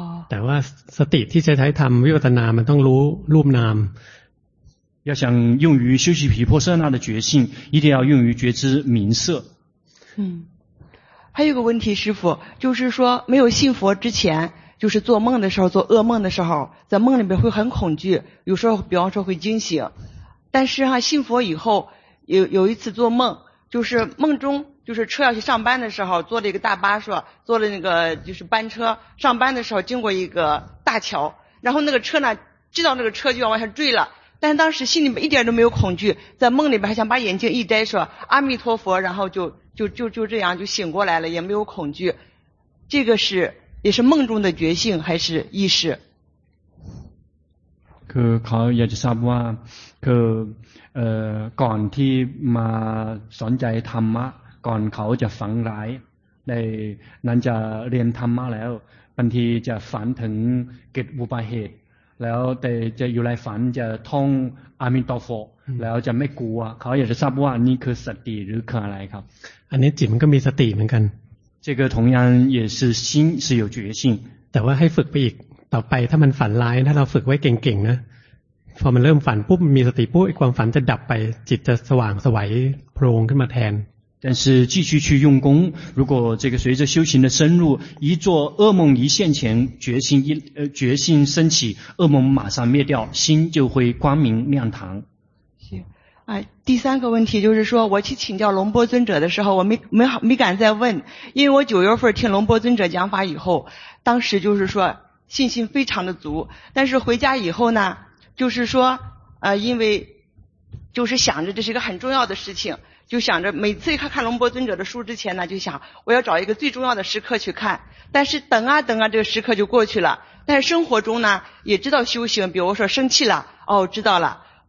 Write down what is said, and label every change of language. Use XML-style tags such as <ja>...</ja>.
<th>แต่ว่าสติที่จะใช้ทำวิปัสสนามันต้องรู้รูปนาม</th> <zh>要想用于修习毗婆舍那的觉性一定要用于觉知名色还有个问题师父就是说没有信佛之前就是做梦的时候做噩梦的时候在梦里面会很恐惧有时候比方说会惊醒但是哈信佛以后有一次做梦就是梦中就是车要去上班的时候坐了一个大巴车坐了那个就是班车上班的时候经过一个大桥然后那个车呢知道那个车就要往下坠了但是当时心里面一点都没有恐惧在梦里面还想把眼睛一摘说阿弥陀佛然后就这样就醒过来了也没有恐惧这个是也是梦中的觉性还是意识</zh> <th>คือเขาอยากจะทราบว่าคือก่อนที่มาสนใจธรรมะก่อนเขาจะฝันร้ายในนั้นจะเรียนธรรมะแล้วบางทีจะฝันถึงเกิดอุบัติเหตุแล้วแต่จะอยู่ในฝันจะท่องอามินตอโฟแล้วจะไม่กลัวเขาอยากจะทราบว่านี่คือสติหรือคืออะไรครับ อันนี้จิตมันก็มีสติเหมือนกัน</th> <zh>这个同样也是心是有觉性</zh> <th>แต่ว่าให้ฝึกไปอีกต่อไปถ้ามันฝันร้ายถ้าเราฝึกไว้เก่งๆนะพอมันเริ่มฝันปุ๊บมีสติปุ๊บไอ้ความฝันจะดับไปจิตจะสว่างสวัยโพล่งขึ้นมาแทน</th> <zh>但是继续去用功如果这个随着修行的深入一做噩梦一现前决心升起噩梦马上灭掉心就会光明亮堂第三个问题就是说我去请教龙波尊者的时候我没敢再问因为我九月份听龙波尊者讲法以后当时就是说信心非常的足但是回家以后呢就是说因为就是想着这是一个很重要的事情就想着每次看龙波尊者的书之前呢就想我要找一个最重要的时刻去看但是等啊等啊这个时刻就过去了但是生活中呢也知道修行比如说生气了哦知道了</zh>